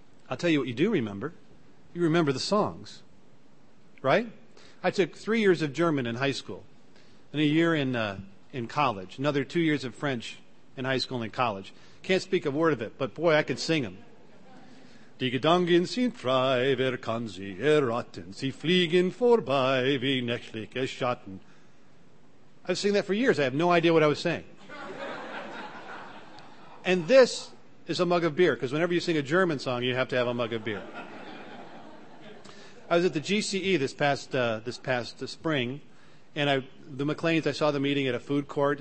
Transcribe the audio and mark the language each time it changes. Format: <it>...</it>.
<en>I'll tell you what you do remember. You remember the songs, right? I took 3 years of German in high school and a year in college, another 2 years of French in high school and in college. Can't speak a word of it, but boy, I could sing them.</en> <de>Die Gedanken sind frei, wer kann sie erraten? Sie fliegen vorbei wie nächtliche Schatten.</de> <en>I've sung that for years. I have no idea what I was saying. And this is a mug of beer, because whenever you sing a German song, you have to have a mug of beer. I was at the GCE this past spring, and the McLeans, I saw them eating at a food court.</en>